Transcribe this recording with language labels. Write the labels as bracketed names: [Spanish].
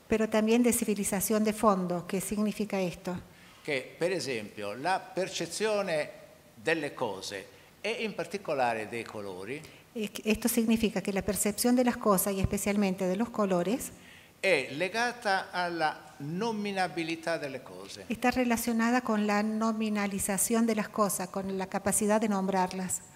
[Spanish] Pero también de civilización de fondo, ¿qué significa esto? Que, por ejemplo, la percepción de las cosas. [Italian] E in particolare dei colori. [Spanish] Esto significa que la percepción de las cosas y especialmente de los colores [Italian] è legata alla nominabilità delle cose. [Spanish] Está relacionada con la nominalización de las cosas, con la capacidad de nombrarlas.